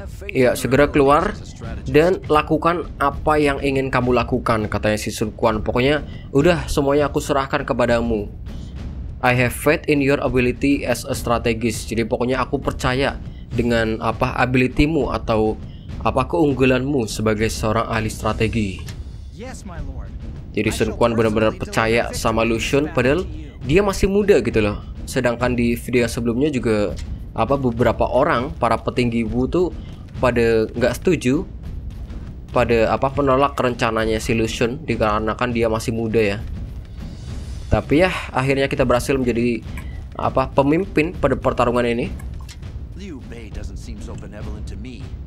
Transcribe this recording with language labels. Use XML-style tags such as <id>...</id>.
<id>Ya, segera keluar dan lakukan apa yang ingin kamu lakukan, katanya si Sun Quan. Pokoknya udah semuanya aku serahkan kepadamu.</id> <en>I have faith in your ability as a strategist.</en> <id>Jadi pokoknya aku percaya dengan apa abilitymu atau apa keunggulanmu sebagai seorang ahli strategi. Jadi Sun Quan benar-benar percaya sama Lu Xun, padahal dia masih muda gitu loh. Sedangkan di video sebelumnya juga apa beberapa orang para petinggi Wu tuh pada nggak setuju pada apa penolak rencananya si Lu Xun dikarenakan dia masih muda ya. Tapi ya akhirnya kita berhasil menjadi apa pemimpin pada pertarungan ini.</id> <en>Liu Bei doesn't seem so benevolent to me.</en>